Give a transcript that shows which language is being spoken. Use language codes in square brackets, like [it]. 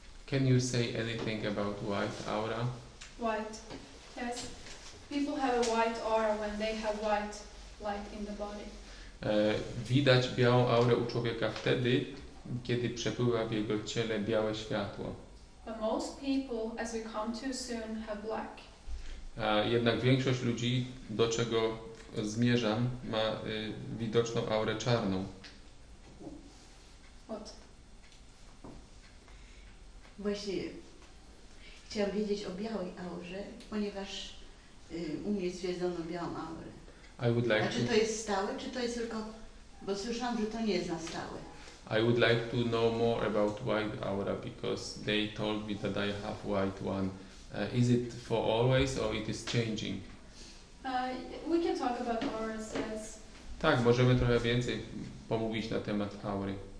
[en] Can you say anything about white aura? White, yes. People have a white aura when they have white light in the body. [pl] Widać białą aurę u człowieka wtedy, kiedy przepływa w jego ciele białe światło. [en] But most people, as we come too soon, have black. [pl] Jednak większość ludzi, do czego zmierzam, ma widoczną aurę czarną. [en] What? [pl] Właśnie chciałam wiedzieć o białej aurze, ponieważ u mnie stwierdzono białą aurę. [en] I would like [pl] A czy to jest stałe, czy to jest tylko... Bo słyszałam, że to nie jest na stałe. [en] I would like to know more about white aura, because they told me that I have white one. Is it for always, or it is changing? We can talk about auras, yes. [pl] Tak, możemy trochę więcej pomówić na temat aury.